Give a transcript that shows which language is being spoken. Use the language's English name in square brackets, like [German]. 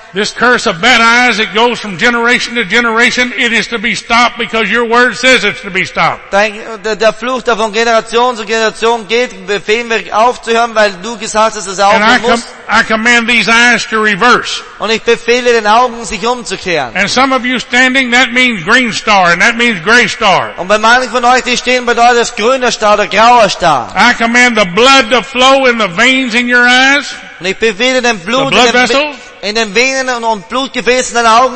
[English] This curse of bad eyes, it goes from generation to generation. It is to be stopped because your word says it's to be stopped. [German] Der Fluch, der von Generation zu Generation geht, befehlen wir aufzuhören, weil du gesagt hast, dass es aufhören muss. [English] I command these eyes to reverse. [German] Und ich befehle den Augen, sich umzukehren. [English] And some of you standing, that means green star, and that means gray star. [German] Und bei manchen von euch, die stehen, bedeutet es grüner Star oder grauer Star. [English] I command the blood to flow in the veins in your eyes. [German] Und ich befehle den Blut in den Venen und Blutgefäßen deiner Augen